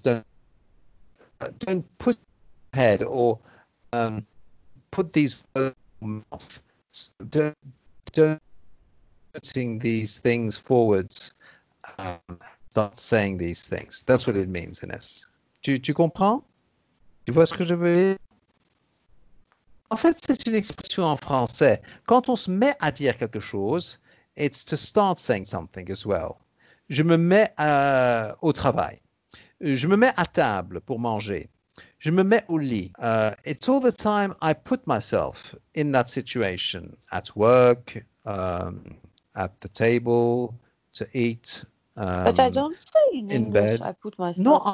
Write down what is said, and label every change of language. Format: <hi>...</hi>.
<en>Don't put head or put these words. Don't putting these things forwards. Start saying these things. That's what it means, Inès.</en> <fr>Tu comprends? Tu vois ce que je veux dire? En fait, c'est une expression en français. Quand on se met à dire quelque chose,</fr> <en>it's to start saying something as well.</en> <fr>Je me mets au travail. Je me mets à table pour manger. Je me mets au lit.</fr> <en>It's all the time I put myself in that situation. At work, at the table, to eat. But I don't say in English, I put myself.</en>